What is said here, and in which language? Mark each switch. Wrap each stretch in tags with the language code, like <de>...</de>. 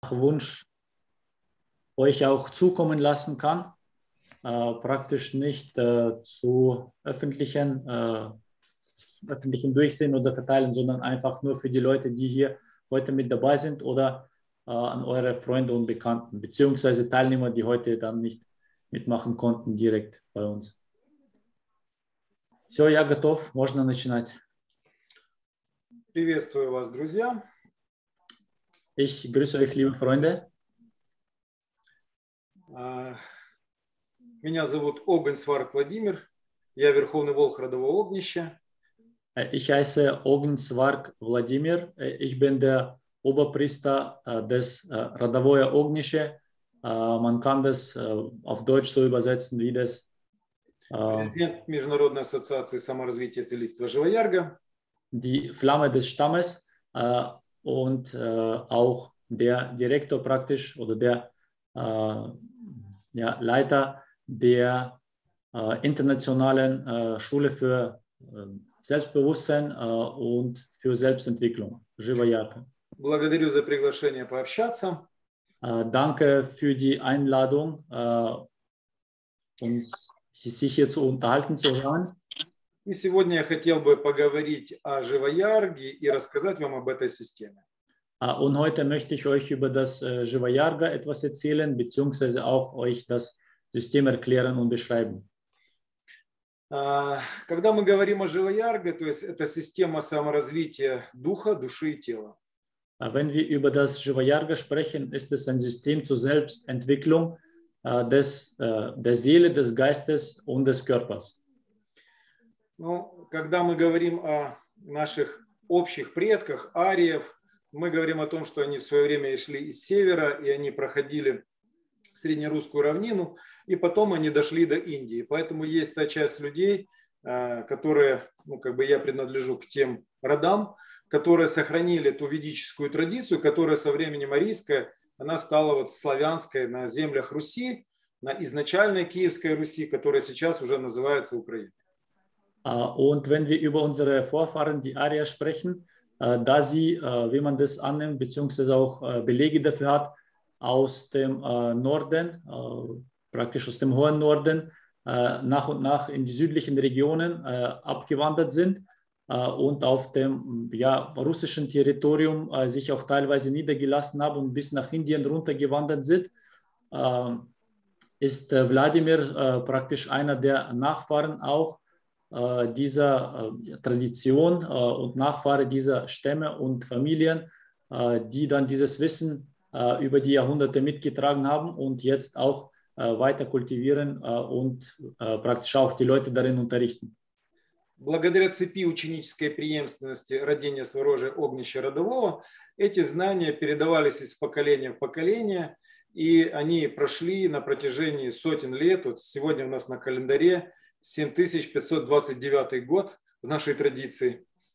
<de>Wunsch euch auch zukommen lassen kann, praktisch nicht zu öffentlichen Durchsehen oder Verteilen, sondern einfach nur für die Leute, die hier heute mit dabei sind oder an eure Freunde und Bekannten, beziehungsweise Teilnehmer, die heute dann nicht mitmachen konnten, direkt bei uns.</de> <ru>Все, я готов, можно начинать. Приветствую вас, друзья.</ru> <de>Ich grüße euch, liebe Freunde.</de> <ru>Меня зовут Огонь Сварк Владимир. Я верховный волк родового огнища.</ru> <de>Ich heiße Огонь Сварк Владимир. Ich bin der Oberpriester des</de> <ru>родового огнища.</ru> <de>Man kann das auf Deutsch so übersetzen wie das.</de> <ru>Президент Международной ассоциации саморазвития целительства Живоярга.</ru> <de>Die Flamme des Stammes und auch der Direktor praktisch oder der ja, Leiter der internationalen Schule für Selbstbewusstsein und für Selbstentwicklung Живоярга.</de> <ru>Благодарю за приглашение пообщаться.</ru> <de>Danke für die Einladung uns sich hier zu unterhalten zu hören.</de> <ru>И сегодня я хотел бы поговорить о Живоярге и рассказать вам об этой системе.</ru> <de>Und heute möchte ich euch über das Живоярга etwas erzählen, beziehungsweise auch euch das System erklären und beschreiben.</de> <ru>Когда мы говорим о Живоярге, то есть это система саморазвития духа, души и тела.</ru> <de>Wenn wir über das Живоярга sprechen, ist es ein System zur Selbstentwicklung der Seele, des Geistes und des Körpers.</de> <ru>Ну, когда мы говорим о наших общих предках, ариев, мы говорим о том, что они в свое время шли из севера, и они проходили среднерусскую равнину, и потом они дошли до Индии. Поэтому есть та часть людей, которые, ну, как бы я принадлежу к тем родам, которые сохранили ту ведическую традицию, которая со временем арийская, она стала вот славянской на землях Руси, на изначальной Киевской Руси, которая сейчас уже называется Украиной.</ru> <de>Und wenn wir über unsere Vorfahren, die Arier, sprechen, da sie, wie man das annimmt, beziehungsweise auch Belege dafür hat, aus dem Norden, praktisch aus dem hohen Norden, nach und nach in die südlichen Regionen abgewandert sind und auf dem ja, russischen Territorium sich auch teilweise niedergelassen haben und bis nach Indien runtergewandert sind, ist Wladimir praktisch einer der Nachfahren auch dieser Tradition und Nachfahre dieser Stämme und Familien, die dann dieses Wissen über die Jahrhunderte mitgetragen haben und jetzt auch weiter kultivieren und praktisch auch die Leute darin unterrichten.</de> <ru>Благодаря цепи ученической преемственности родения Сварожа Огнища Родового, эти знания передавались из поколения в поколение, и они прошли на протяжении сотен лет. Вот сегодня у нас на календаре 7529 год в нашей традиции.</ru>